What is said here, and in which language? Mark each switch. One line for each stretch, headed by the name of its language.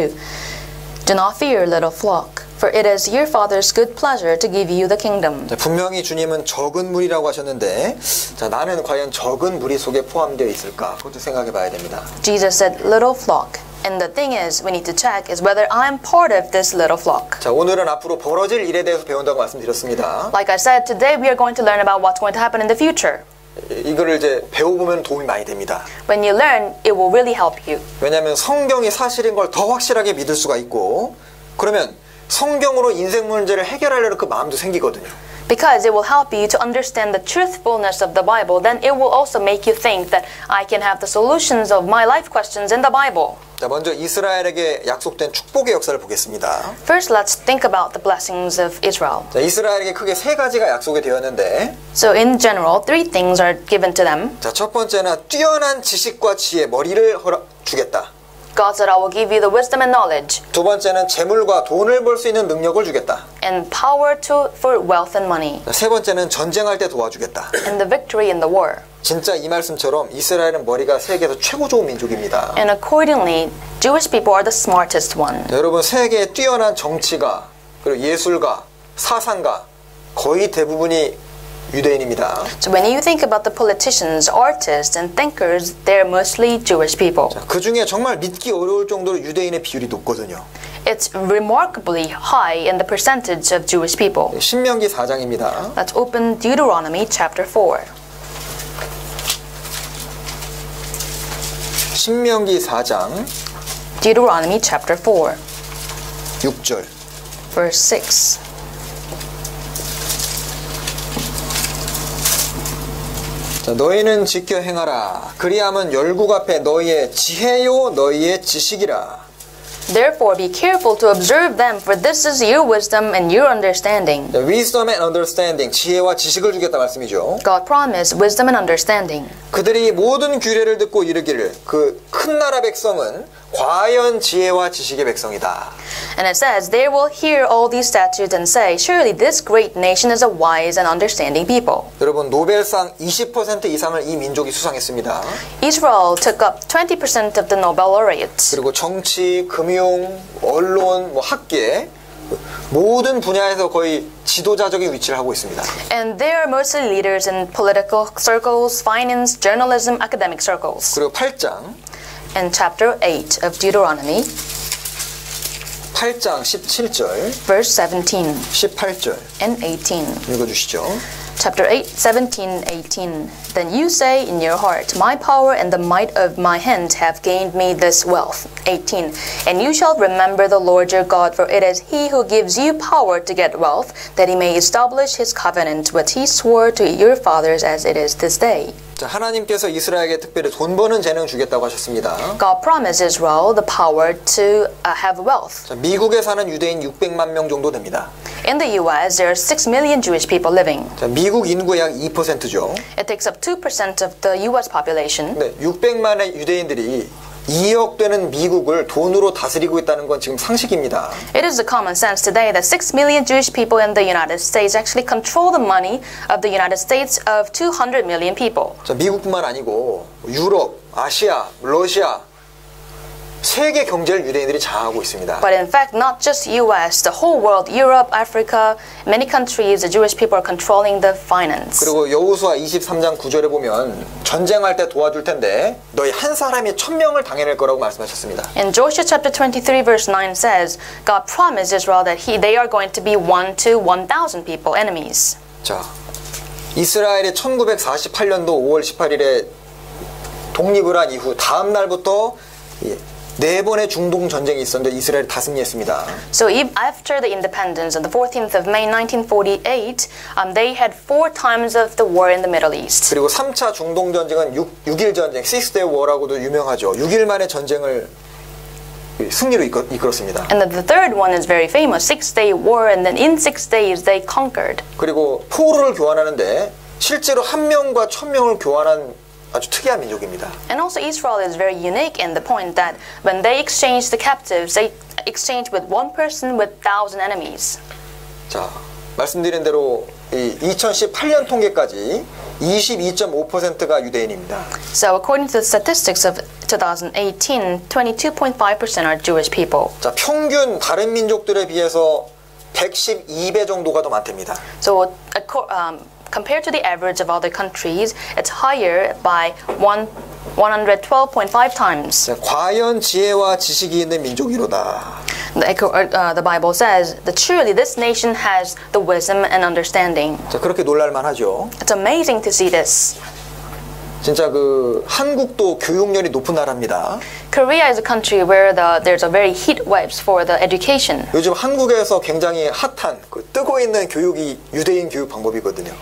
English: Verse 32. Do not fear, little flock, for it is your Father's good pleasure to give you the kingdom.
Korean: 자, 분명히 주님은 적은 무리라고 하셨는데, 자, 나는 과연 적은 무리 속에 포함되어 있을까? 그것도 생각해 봐야 됩니다.
English: Jesus said, little flock. And the thing is, we need to check is whether I'm part of this little flock.
Korean: 자, 오늘은 앞으로 벌어질 일에 대해서 배운다고 말씀드렸습니다.
English: Like I said, today we are going to learn about what's going to happen in the future.
Korean: 이거를 이제 배워보면 도움이 많이 됩니다.
English: When you learn, it will really help you.
Korean: 왜냐하면 성경이 사실인 걸 더 확실하게 믿을 수가 있고, 그러면 성경으로 인생 문제를 해결하려는 그 마음도 생기거든요.
English: Because it will help you to understand the truthfulness of the Bible, then it will also make you think that I can have the solutions of my life questions in the Bible.
Korean: 자, 먼저 이스라엘에게 약속된 축복의 역사를 보겠습니다.
English: First, let's think about the blessings of Israel.
Korean: 자, 이스라엘에게 크게 세 가지가 약속이 되었는데.
English: So in general, three things are given to them.
Korean: 자, 첫 번째는 뛰어난 지식과 지혜, 머리를 주겠다.
English: God said, I will give you the wisdom and knowledge.
Korean: 두 번째는 재물과 돈을 벌 수 있는 능력을 주겠다.
English: And power to for wealth and money.
Korean: 세 번째는 전쟁할 때 도와주겠다.
English: And the victory in the war.
Korean: 진짜 이 말씀처럼 이스라엘은 머리가 세계에서 최고 좋은 민족입니다.
English: And accordingly, Jewish people are the smartest one.
Korean: 여러분, 세계의 뛰어난 정치가, 그리고 예술가, 사상가, 거의 대부분이 유대인입니다.
English: So when you think about the politicians, artists, and thinkers, they're mostly Jewish people.
Korean: 자, 그 중에 정말 믿기 어려울 정도로 유대인의 비율이 높거든요.
English: It's remarkably high in the percentage of Jewish people.
Korean: 신명기 4장입니다.
English: Let's open Deuteronomy chapter 4.
Korean: 신명기 4장
English: Deuteronomy chapter 4
Korean: 6절
English: verse 6
Korean: 자, 너희는 지켜 행하라 그리하면 열국 앞에 너희의 지혜요 너희의 지식이라
English: Therefore be careful to observe them for this is your wisdom and your understanding. The wisdom and understanding,
Korean: 지혜와 지식을 주겠다 말씀이죠.
English: God promised wisdom and understanding.
Korean: 그들이 모든 규례를 듣고 이르기를 그 큰 나라 백성은 과연 지혜와 지식의 백성이다.
English: And it says they will hear all these statutes and say surely this great nation is a wise and understanding people.
Korean: 여러분 노벨상 20% 이상을 이 민족이 수상했습니다.
English: Israel took up 20% of the Nobel laureates.
Korean: 그리고 정치, 금융, 언론, 뭐 학계 모든 분야에서 거의 지도자적인 위치를 하고 있습니다.
English: And they are mostly leaders in political circles, finance, journalism, academic circles.
Korean: 그리고 8장.
English: And chapter 8 of Deuteronomy.
Korean: 8장 17절.
English: Verse 17.
Korean: 18절.
English: And 18.
Korean: 읽어주시죠.
English: Chapter 8:17-18. Then you say in your heart, My power and the might of my hand have gained me this wealth. 18. And you shall remember the Lord your God, for it is He who gives you power to get wealth, that He may establish His covenant, which He swore to your fathers as it is this day.
Korean: 자, 하나님께서 이스라엘에게 특별히 돈 버는 재능 주겠다고 하셨습니다.
English: God promised Israel the power to have wealth.
Korean: 자, 미국에 사는 유대인 600만 명 정도 됩니다.
English: In the US, there are 6 million Jewish people living.
Korean: 자, 미국 인구의 약 2%죠.
English: It takes up 2% of the US population.
Korean: 네, 600만의 유대인들이 2억 되는 미국을 돈으로 다스리고 있다는 건 지금 상식입니다.
English: It is a common sense today that 6 million Jewish people in the United States actually control the money of the United States of 200 million people.
Korean: 자, 미국뿐만 아니고 유럽, 아시아, 러시아 세계 경제를 유대인들이 장악하고 있습니다.
English: But in fact, not just US, the whole world, Europe, Africa, many countries, the Jewish people are controlling the finance.
Korean: 그리고 여호수아 23장 9절에 보면 전쟁할 때 도와줄 텐데 너희 한 사람이 천명을 당해낼 거라고 말씀하셨습니다.
English: In Joshua chapter 23 verse 9 says, God promised Israel that they are going to be 1 to 1,000 people enemies.
Korean: 자. 이스라엘의 1948년도 5월 18일에 독립을 한 이후 다음 날부터 네 번의 중동 전쟁이 있었는데 이스라엘이 다 승리했습니다.
English: So after the independence on the 14th of May 1948, they had four times of the war in the Middle East.
Korean: 그리고 3차 중동 전쟁은 6일 전쟁, 6-day war라고도 유명하죠. 6일 만에 전쟁을 승리로 이끌었습니다.
English: And the third one is very famous, 6-day war, and then in 6 days they conquered.
Korean: 그리고 포로를 교환하는데 실제로 한 명과 천 명을 교환한 아주 특이한 민족입니다.
English: And also Israel is very unique in the point that when they exchange the captives, they exchange with one person with 1,000 enemies.
Korean: 자, 말씀드린 대로 이 2018년 통계까지 22.5%가 유대인입니다.
English: So according to the statistics of 2018, 22.5% are Jewish people.
Korean: 자, 평균 다른 민족들에 비해서 112배 정도가 더 많답니다.
English: So compared to the average of other countries, it's higher by 112.5 times.
Korean: 과연 지혜와 지식이 있는 민족이로다.
English: The Bible says that truly this nation has the wisdom and understanding.
Korean: 자, 그렇게 놀랄만하죠.
English: It's amazing to see this.
Korean: 진짜 그 한국도 교육열이 높은 나라입니다.
English: Korea is a country where there's a very heat waves for the education.
Korean: 요즘 한국에서 굉장히 핫한 그 뜨고 있는 교육이 유대인 교육 방법이거든요.